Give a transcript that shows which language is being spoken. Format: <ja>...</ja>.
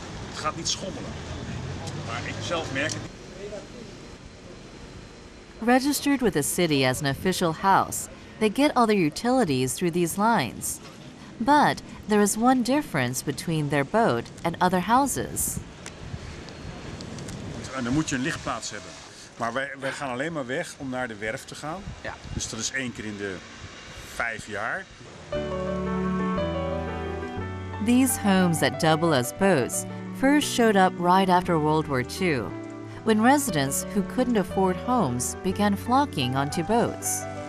<nl>Het gaat niet schommelen, maar ik zelf merk het.</nl> <en>Registered with the city as an official house, they get all their utilities through these lines. But there is one difference between their boat and other houses.</en> <nl>En dan moet je een lichtplaats hebben. Maar wij gaan alleen maar weg om naar de werf te gaan. Ja. Dus dat is één keer in de 5 jaar.</nl> <en>These homes that double as boats first showed up right after World War II, when residents who couldn't afford homes began flocking onto boats.</en>